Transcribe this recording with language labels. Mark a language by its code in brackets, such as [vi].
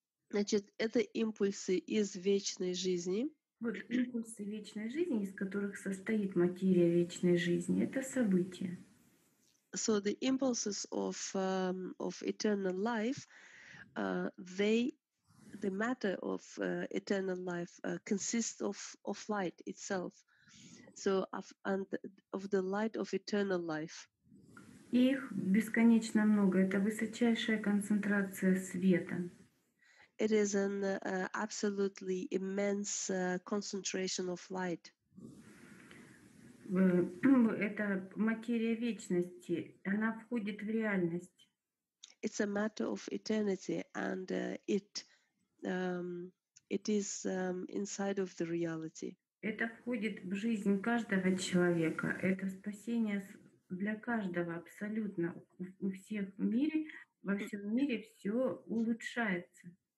[ru] Значит, это импульсы из вечной жизни. Вот импульсы вечной жизни, из которых состоит материя вечной жизни, это события. [en] So the impulses of eternal life, the matter of eternal life consists of light itself. So and of the light of eternal life. [ru] Их бесконечно много. Это высочайшая концентрация света. [en] It is an absolutely immense concentration of light. [ru] Это материя вечности. Она входит в реальность. [en] It's a matter of eternity and it is inside of the reality. [ru] Это входит в жизнь каждого человека. Это спасение для каждого абсолютно. У всех в мире, во всем мире все улучшается.